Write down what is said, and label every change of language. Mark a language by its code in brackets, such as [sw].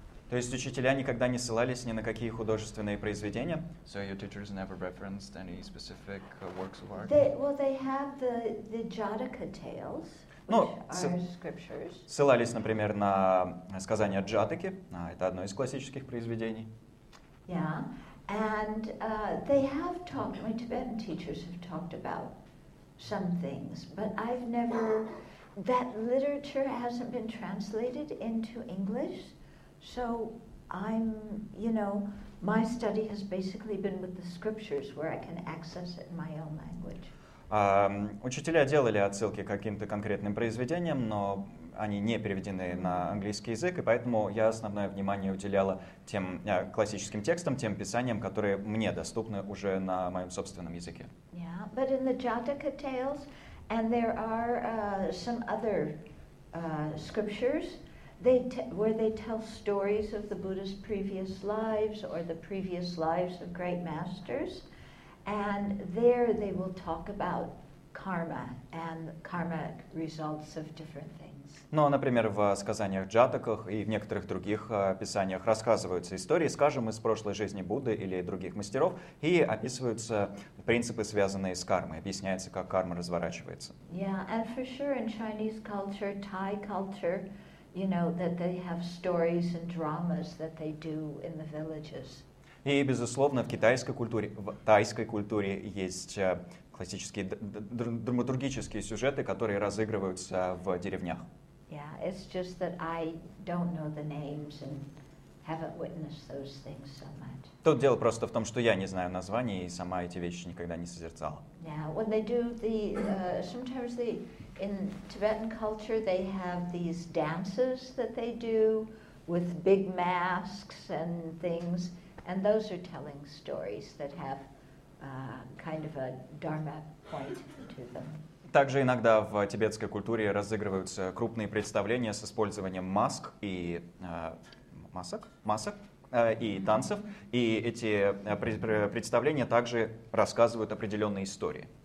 [ru] То есть учителя никогда не ссылались ни на какие художественные произведения? [en] So your teachers never referenced any specific works of art? They have the Jataka tales, which are scriptures. [ru] Ссылались, например, на сказания Джатаки. Это одно из классических произведений. [en] Yeah, and they have talked. My Tibetan teachers have talked about some things, but I've never. That literature hasn't been translated into English. So I'm, you know, my study has basically been with the scriptures where I can access it in my own language. [ru] Учителя делали отсылки к каким-то конкретным произведениям, но они не переведены на английский язык, и поэтому я основное внимание уделяла тем классическим текстам, тем писаниям, которые мне доступны уже на моем собственном языке. [en] Yeah, but in the Jataka tales, and there are some other scriptures, where they tell stories of the Buddha's previous lives or the previous lives of great masters, and there they will talk about karma and karma results of different things. [ru] Но, например, в сказаниях Джатаках и в некоторых других писаниях рассказываются истории, скажем, из прошлой жизни Будды или других мастеров, и описываются принципы, связанные с кармой, объясняется, как карма разворачивается. [en] Yeah, and for sure in Chinese culture, Thai culture, you know, that they have stories and dramas that they do in the villages. [ru] И, безусловно, в китайской культуре, в тайской культуре есть классические драматургические сюжеты, которые разыгрываются в деревнях. [en] Yeah, it's just that I don't know the names and haven't witnessed those things so much. [ru] Тут дело просто в том, что я не знаю названий и сама эти вещи никогда не созерцала. [en] Yeah, when they do the, sometimes they... In Tibetan culture, they have these dances that they do with big masks and things, and those are telling stories that have kind of a dharma point to them. [ru] Также иногда в тибетской культуре разыгрываются крупные представления с использованием масок и масок и танцев, и эти представления также рассказывают определенные истории.